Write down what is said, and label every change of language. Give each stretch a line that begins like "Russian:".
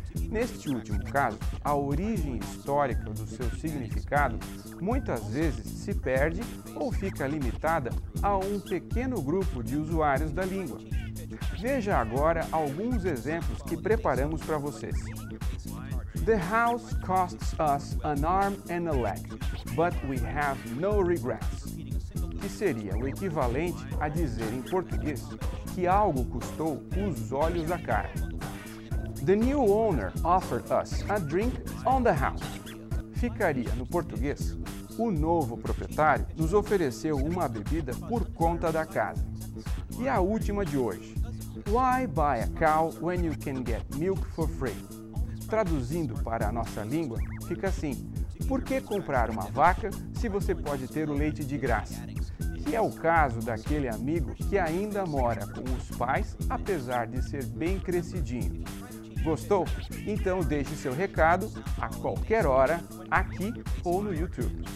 Portuguese: Neste último caso, a origem histórica do seu significado muitas vezes se perde ou fica limitada a um pequeno grupo de usuários da língua. Veja agora alguns exemplos que preparamos para vocês.
English: The house costs us an arm and a leg, but we have no regrets.
Portuguese: Que seria o equivalente a dizer em português que algo custou os olhos da cara.
English: The new owner offered us a drink on the house.
Portuguese: Ficaria no português, o novo proprietário nos ofereceu uma bebida por conta da casa. E a última de hoje.
English: Why buy a cow when you can get milk for free?
Portuguese: Traduzindo para a nossa língua, fica assim. Por que comprar uma vaca se você pode ter o leite de graça? Que é o caso daquele amigo que ainda mora com os pais, apesar de ser bem crescidinho. Gostou? Então deixe seu recado a qualquer hora, aqui ou no YouTube.